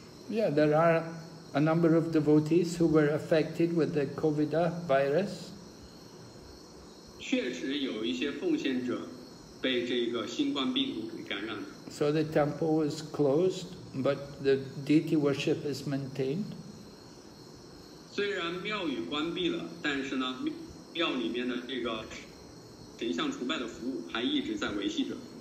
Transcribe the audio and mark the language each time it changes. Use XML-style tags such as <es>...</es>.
<en>Yeah, there are a number of devotees who were affected with the COVID virus.</en> <zh>确实有一些奉献者被这个新冠病毒给感染了。</zh> <en>So the temple was closed, but the deity worship is maintained.</en> <zh>虽然庙宇关闭了，但是呢，庙里面的这个神像崇拜的服务还一直在维系着。</zh>